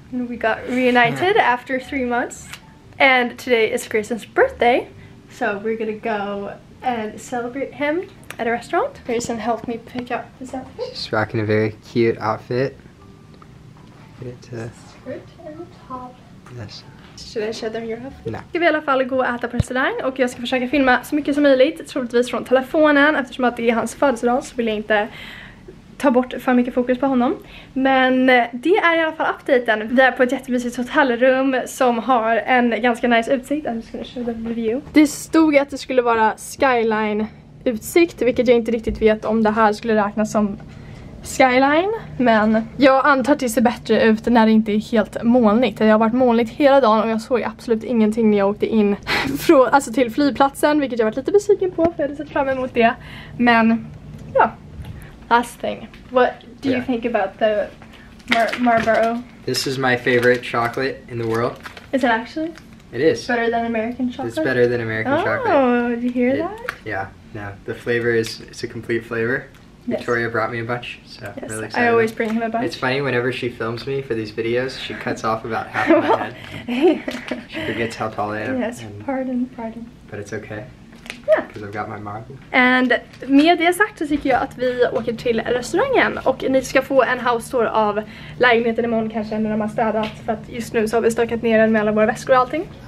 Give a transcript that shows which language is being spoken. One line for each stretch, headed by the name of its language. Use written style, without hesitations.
English: And we got reunited after 3 months. And today is Grayson's birthday. So we're gonna go and celebrate him at a restaurant. Grayson helped me pick out his outfit. She's rocking a very cute outfit. Skirt and top. Yes. Should I show them your outfit?
Swedish: Nej. Ska vi i alla fall gå och äta på restaurang och jag ska försöka filma så mycket som möjligt, troligtvis från telefonen eftersom att det är hans födelsedag, så vill jag inte ta bort för mycket fokus på honom. Men det är i alla fall updaten. Vi är på ett jättemysigt hotellrum som har en ganska nice utsikt.
English: I'm just gonna show them the view.
Swedish: Det stod att det skulle vara skyline utsikt, vilket jag inte riktigt vet om det här skulle räknas som skyline, men jag antar att det ser bättre ut när det inte är helt molnigt. Jag har varit molnigt hela dagen och jag såg absolut ingenting när jag åkte in från, alltså till flygplatsen, vilket jag varit lite besviken på för jag hade sett fram emot det. Men ja.
English: Last thing. What do you think about the Marlboro? This is my favorite chocolate in the world. Is it actually? It is. Better than American chocolate? It's better than American chocolate. Oh, did you hear that? Yeah, no. The flavor is, it's a complete flavor. Yes. Victoria brought me a bunch, so yes. Really excited. I always bring him a bunch. It's funny, whenever she films me for these videos, she cuts off about half of my head. She forgets how tall I am. Yes, and, pardon. But it's okay. Yeah. I've got my mom.
Swedish: And med det sagt så tycker jag att vi åker till restaurangen och ni ska få en house tour av lägenheten imorgon kanske när de har städat, för att just nu så har vi stökat ner den med alla våra väskor och allting.